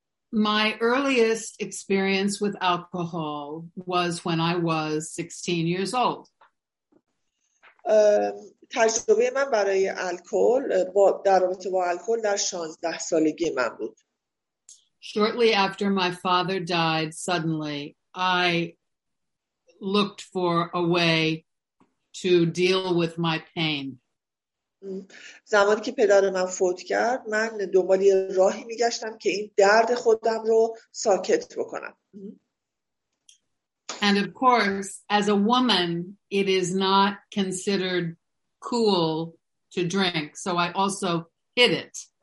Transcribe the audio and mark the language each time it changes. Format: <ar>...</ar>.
<en>My earliest experience with alcohol was when I was 16 years old.</en> <fa>تجربه من برای الکل با در رابطه با الکل در 16 سالگی من بود.</fa> <en>Shortly after my father died suddenly, I looked for a way to deal with my pain.</en> <fa>زمانی که پدر من فوت کرد، من دنبال یه راهی میگشتم که این درد خودم رو ساکت بکنم.</fa> <en>And of course, as a woman, it is not considered cool to drink, so I also hid it.</en>